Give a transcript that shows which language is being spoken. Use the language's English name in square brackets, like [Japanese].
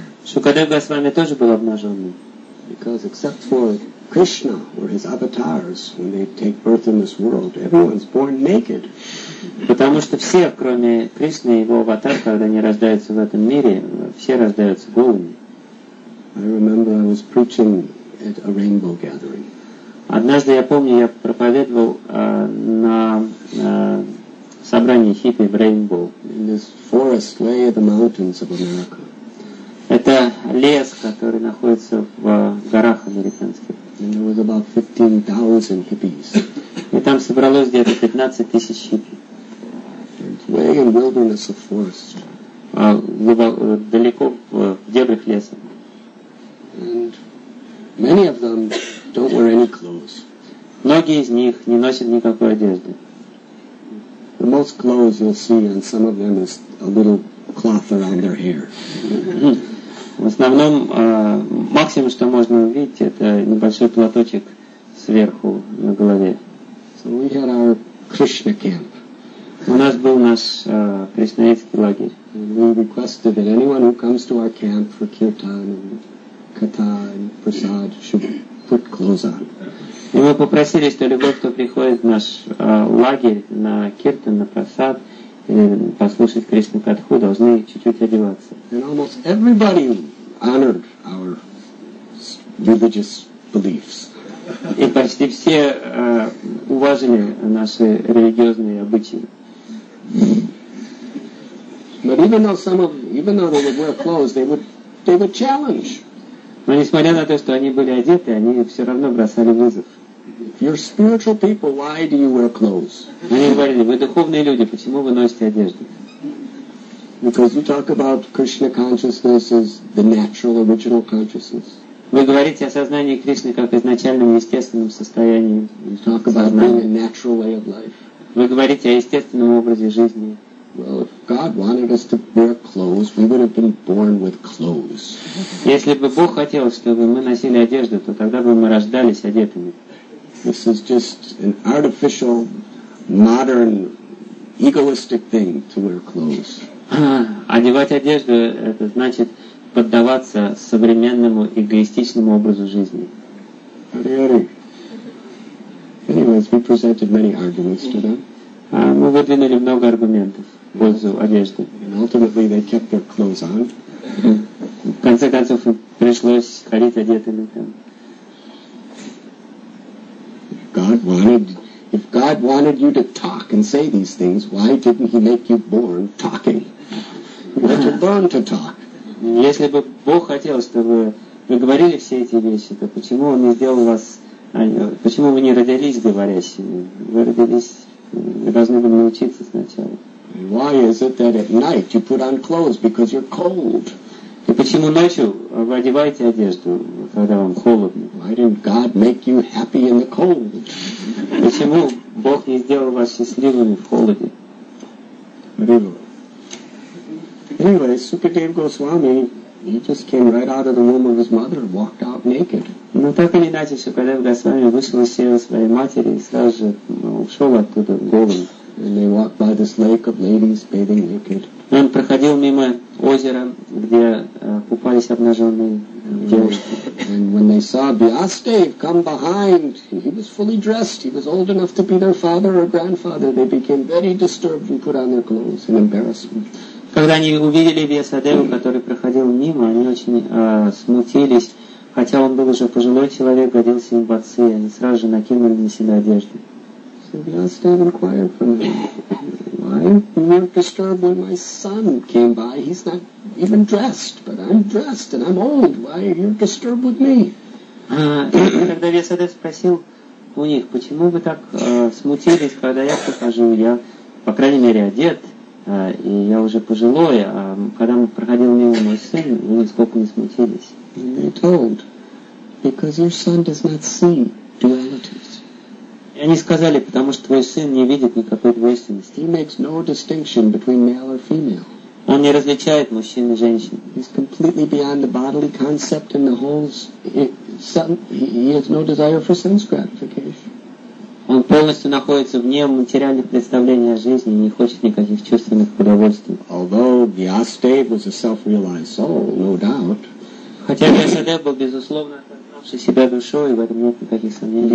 [Russian] Шукадев Госвами тоже был обнаженным. [English] Because except for Krishna or his avatars, when they take birth in this world, everyone's born naked. [Russian] Потому что все, кроме Кришны и его аватар, когда они рождаются в этом мире, все рождаются голыми. [English] I remember I was preaching at a rainbow gathering. [Russian] Однажды я помню, я проповедовал на собрании хиппи в Rainbow. [English] In this forest lay the mountains of America. [Russian] Это лес, который находится в горах американских. [English] And there was about 15,000 hippies. [Russian] И там собралось где-то 15 тысяч хиппи. [English] Way in wilderness of forest. [Russian] далеко в дебрях леса. [English] And many of them don't wear any clothes. [Russian] Многие из них не носят никакой одежды. [English] The most clothes you'll see on some of them is a little cloth around their hair. [Russian] В основном максимум, что можно увидеть, это небольшой платочек сверху на голове. [English] So we had our Krishna camp. [Russian] У нас был наш кришнаитский лагерь. [English] We requested that anyone who comes to our camp for kirtan and katha and prasad should put clothes on. [Russian] И мы попросили, что любой, кто приходит в наш лагерь на киртан, на прасад, послушать Кришну Катху, должны чуть-чуть одеваться. [English] And almost everybody honored our religious beliefs. [Russian] И почти все уважили наши религиозные обычаи. [English] But even though they would wear clothes, they would challenge. [Russian] Но несмотря на то, что они были одеты, они все равно бросали вызов. [English] You're spiritual people, why do you wear clothes? [Russian] Они говорили, вы духовные люди, почему вы носите одежду? [English] Because you talk about Krishna consciousness as the natural original consciousness. [Russian] Вы говорите о сознании Кришны как изначальном естественном состоянии. [English] You talk about being a natural way of life. [Russian] Вы говорите о естественном образе жизни. [English] Well, if God wanted us to wear clothes, we would have been born with clothes. [Russian] Если бы Бог хотел, чтобы мы носили одежду, то тогда бы мы рождались одетыми. [English] This is just an artificial, modern, egoistic thing to wear clothes. [Russian] Одевать одежду – это значит поддаваться современному эгоистичному образу жизни. [English] Anyways, we presented many arguments to them. [Russian] Мы выдвинули много аргументов в пользу одежды. [English] And ultimately, they kept their clothes on. [Russian] В конце концов, пришлось ходить одетыми там. [English] If God wanted you to talk and say these things, why didn't He make you born talking? You had to learn to talk. [Russian] Если бы Бог хотел, чтобы вы говорили все эти вещи, то почему Он не сделал вас? Почему вы не родились говорящими? Вы родились, вы должны были научиться сначала. [English] Why is it that at night you put on clothes because you're cold? [Russian] И почему ночью вы одеваете одежду, когда вам холодно? [English] Why didn't God make you happy in the cold? [Russian] Почему Бог не сделал вас счастливыми в холоде? [English] Anyway, Sukadeva Goswami, he just came right out of the womb of his mother and walked out naked. [Russian] Ну так или иначе, Сукадева Госвами вышел из чрева своей матери и сразу же ушел оттуда голым. [English] And they walked by this lake of ladies bathing naked. [Russian] Он проходил мимо озера, где купались обнаженные девушки. [English] And when they saw Vyasadeva come behind, he was fully dressed. He was old enough to be their father or grandfather. They became very disturbed and put on their clothes in embarrassment. [Russian] Когда они увидели Вьясадеву, который проходил мимо, они очень смутились. Хотя он был уже пожилой человек, годился им в отцы, и они сразу же накинули на себя одежду. [English] Vyasadeva inquired from them. Why were you disturbed when my son came by? He's not even dressed, but I'm dressed and I'm old. Why are you disturbed with me? [Russian] Когда Вьясадев спросил у них, почему вы так смутились, когда я прохожу, я, по крайней мере, одет, и я уже пожилой, а когда мы проходил мимо мой сын, вы нисколько не смутились. [English] And they told, because your son does not see dualities. [Russian] И они сказали, потому что твой сын не видит никакой двойственности. [English] He makes no distinction between male or female. [Russian] Он не различает мужчин и женщин. [English] He's completely beyond the bodily concept and the whole. He has no desire for sense gratification. [Russian] Он полностью находится вне материальных представлений о жизни и не хочет никаких чувственных удовольствий. [English] Although Vyasadeva was a self-realized soul, no doubt. [Russian] Хотя Vyasadeva был безусловно себя душой, в этом нет никаких сомнений.